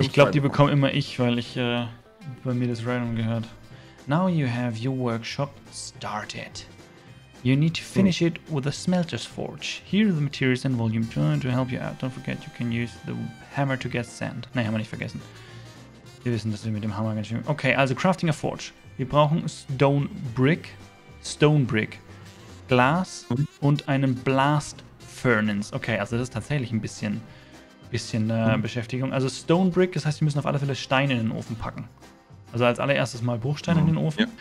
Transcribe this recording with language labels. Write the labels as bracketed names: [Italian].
[German] Ich glaube, die bekomme immer ich, weil ich bei mir das Random gehört. [English] Now you have your workshop started. You need to finish it with a smelter's forge. Here are the materials and volume to help you out. Don't forget, you can use the hammer to get sand. [German] Nein, haben wir nicht vergessen. Wir wissen, dass wir mit dem Hammer ganz schön... Okay, also [English] crafting a forge. [German] Wir brauchen Stone Brick, Glas und einen Blast Furnace. Okay, also das ist tatsächlich ein bisschen Beschäftigung. Also Stone Brick, das heißt, wir müssen auf alle Fälle Steine in den Ofen packen. Also als allererstes mal Bruchsteine in den Ofen.